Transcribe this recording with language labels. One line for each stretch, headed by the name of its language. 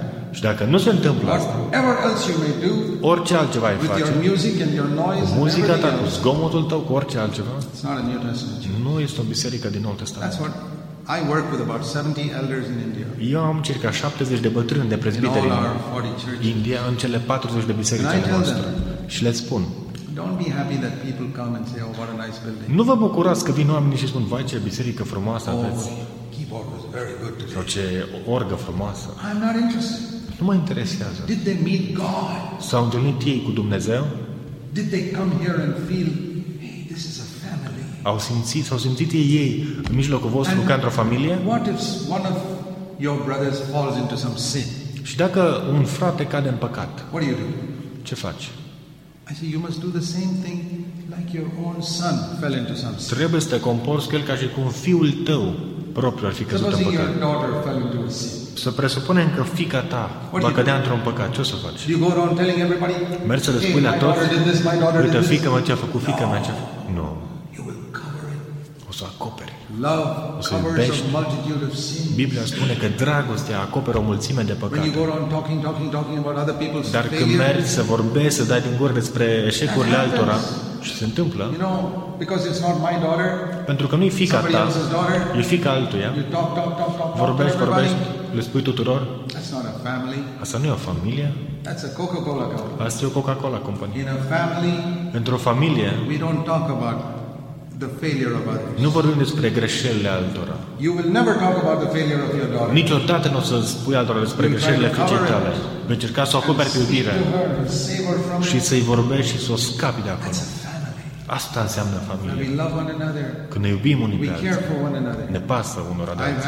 Romanian: Și dacă nu se întâmplă asta, orice altceva ai face, cu muzica ta, cu zgomotul tău, cu orice altceva, nu este o biserică din Noul Testament.
English: I work with about 70 elders in India.
Romanian: Eu am circa 70 de bătrâni de prezbiteri
English: in
Romanian: în India, în cele 40 de biserici ale noastre. Și le spun,
English: don't be happy that people come and say, oh, what a nice building.
Romanian: Nu vă bucurați că vin oamenii și spun, vai ce biserică frumoasă aveți.
English: Oh, the keyboard was very good today.
Romanian: Sau ce orgă frumoasă.
English: I'm not interested.
Romanian: Nu mă interesează.
English: Did they meet God?
Romanian: S-au întâlnit ei cu Dumnezeu?
English: Did they come here and feel, hey, this is a family?
Romanian: S-au simțit ei în mijlocul vostru ca într-o familie?
English: What if one of your brothers falls into some sin?
Romanian: Și dacă un frate cade în păcat?
English: What do you do?
Romanian: Ce faci?
English: I say you must do the same thing like your own son fell into some sin.
Romanian: Trebuie să te comporți cel ca și cum fiul tău propriu ar fi căzut în păcat. Să presupunem că fiica ta va cădea într-un păcat. Ce o să faci?
English: You go around telling everybody?
Romanian: Mergi să le spui la toți? Uite, fiica mea ce a făcut, fiica mea ce a făcut. Nu.
English: You will cover it.
Romanian: O să acoperi.
English: Love covers a multitude of sins.
Romanian: Biblia spune că dragostea acoperă o mulțime de păcate.
English: When you go on talking about other people's failures,
Romanian: dar când mergi să vorbești, să dai din gură despre eșecurile altora, Ce se întâmplă?
English: You know, because it's not my daughter.
Romanian: Pentru că nu e fica ta. E fica altuia.
English: You talk,
Romanian: vorbești, vorbești, le spui tuturor.
English: That's not a family.
Romanian: Asta nu e o familie.
English: That's a Coca-Cola company.
Romanian: Asta e o Coca-Cola company.
English: In a family.
Romanian: Într-o familie.
English: We don't talk about the failure of others.
Romanian: Nu vorbim despre greșelile altora.
English: You will never talk about the failure of your daughter.
Romanian: Niciodată nu o să spui altora despre greșelile fiicei tale. Vei încerca să o acoperi pe iubire și să-i vorbești și să o scapi de acolo. Asta înseamnă familie. Când ne iubim unii pe alții, ne pasă unora de